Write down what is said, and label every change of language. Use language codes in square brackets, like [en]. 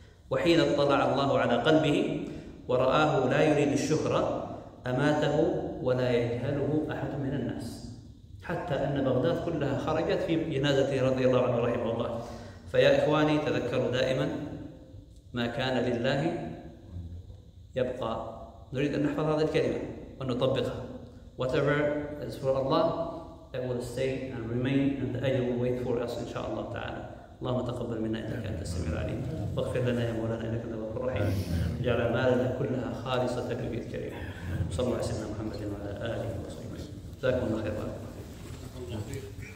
[ar] وحين اطلع الله على قلبه ورآه لا يريد الشهرة أماته ولا يجهله أحد من الناس، حتى أن بغداد كلها خرجت في جنازته رضي الله عنه ورحمه الله. فيا إخواني تذكروا دائما ما كان لله يبقى. نريد أن نحفظ هذه الكلمة ونطبقها. [en] Whatever is for Allah, it will stay and remain, and the ajr will wait for us, inshaAllah ta'ala. [ar] اللهم تقبل منا إنك أنت السميع العليم، واغفر لنا يا مولانا إنك أنت الغفور الرحيم، واجعل أعمالنا كلها خالصة في بيت كريم. صلى الله على سيدنا محمد وعلى آله وصحبه. جزاكم الله خيرا. [en] Thank you.